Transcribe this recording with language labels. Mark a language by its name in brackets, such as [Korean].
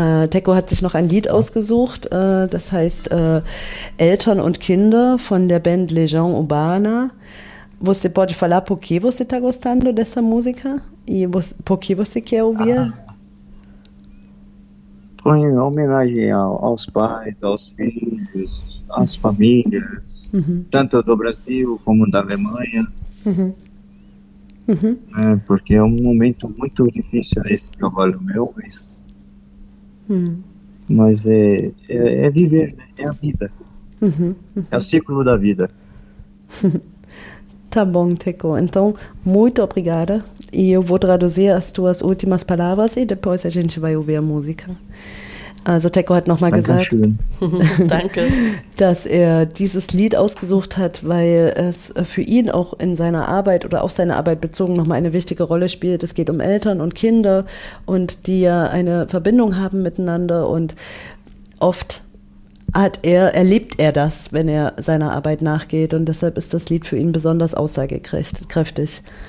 [German] Teko hat sich noch ein Lied ausgesucht, das heißt Eltern und Kinder von der Band Legião Urbana. [Portuguese] Você pode falar por que você está gostando dessa música? E por que você quer ouvir? Em homenagem aos pais, aos filhos, às famílias, tanto do Brasil como da Alemanha. É, porque é um momento muito difícil esse trabalho meu, mas. Mas é viver, né? É a vida. É o ciclo da vida. Tá bom, Teko. Então, muito obrigada. E eu vou traduzir as tuas últimas palavras e depois a gente vai ouvir a música. [German] Also Teko hat nochmal gesagt, danke, dass er dieses Lied ausgesucht hat, weil es für ihn auch in seiner Arbeit oder auf seine Arbeit bezogen nochmal eine wichtige Rolle spielt. Es geht um Eltern und Kinder und die ja eine Verbindung haben miteinander und oft erlebt er das, wenn er seiner Arbeit nachgeht und deshalb ist das Lied für ihn besonders aussagekräftig.